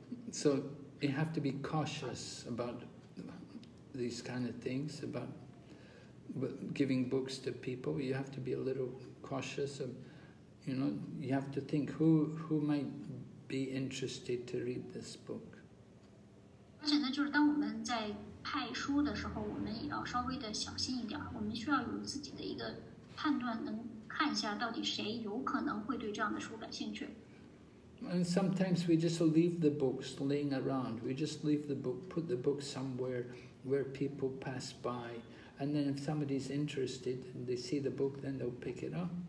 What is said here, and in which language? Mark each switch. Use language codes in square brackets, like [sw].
[en] So you have to be cautious about these kind of things, about giving books to people. You have to be a little cautious of, you know, you have to think who might be interested to read this book. [zh] 而且呢，就是当我们在派书的时候，我们也要稍微的小心一点。我们需要有自己的一个判断，能看一下到底谁有可能会对这样的书感兴趣。 [en] And sometimes we just leave the books laying around. We just leave the book, put the book somewhere where people pass by. And then if somebody's interested and they see the book, then they'll pick it up.